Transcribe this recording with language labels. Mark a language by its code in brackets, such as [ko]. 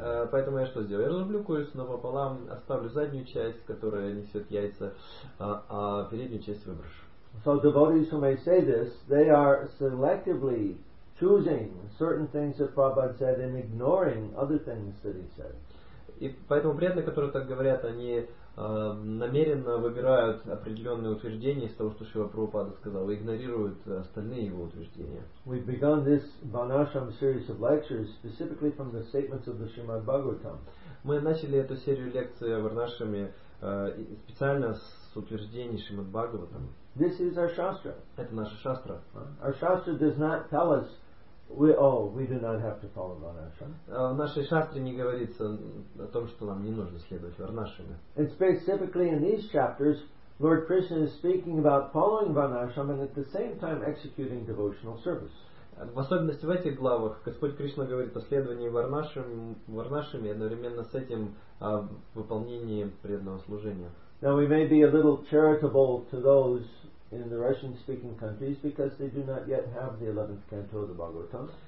[ru] Поэтому я что сделаю? Я разрублю курицу напополам, оставлю заднюю часть, которая несет яйца, а переднюю часть выброшу. [en] So devotees who may say this, they are selectively choosing certain things that Prabhupada said and ignoring other things that he said. [ru] И поэтому преданные, которые так говорят, они намеренно выбирают определенные утверждения из того, что Шрила Прабхупада сказал, и игнорируют остальные его утверждения. [en] We've begun this Varnashram series of lectures specifically from the statements of the Srimad Bhagavatam. [ru] Мы начали эту серию лекций о Варнашраме специально с утверждений Шримад Бхагаватам. [en] This is our shastra. [ru] Это наша шастра. [en] Our shastra does not tell us we do not have to follow Varnashram. [ru] В нашей шастре не говорится о том, что нам не нужно следовать Варнашраме. [en] And specifically in these chapters, Lord Krishna is speaking about following Varnashram and at the same time executing devotional service. [ru] В особенности в этих главах Господь Кришна говорит о следовании Варнашраме и одновременно с этим о выполнении преданного служения. [en] Now we may be a little charitable to those in the Russian-speaking countries because they do not yet have the 11th canto of the Bhagavatam.